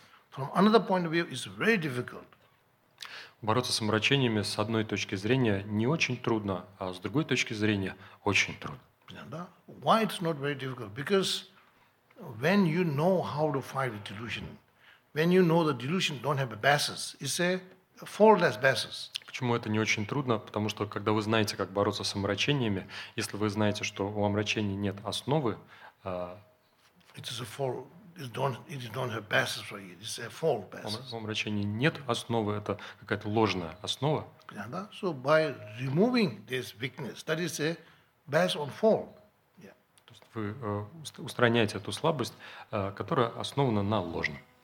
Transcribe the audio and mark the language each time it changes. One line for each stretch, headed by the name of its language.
English: From another point of view, it's very difficult.
Russian: Бороться с омрачениями с одной точки зрения не очень трудно, а с другой точки зрения очень трудно.
English: Why it's not very difficult? Because when you know how to fight a delusion, when you know the delusion don't have a basis, it's a faultless basis.
Russian: Почему это не очень трудно? Потому что когда вы знаете, как бороться с омрачениями, если вы знаете, что у омрачений нет основы, у омрачений нет основы, это какая-то ложная основа.
English: So by removing this weakness, that is a base on fault.
Russian: Вы устраняете эту слабость, которая основана на ложном.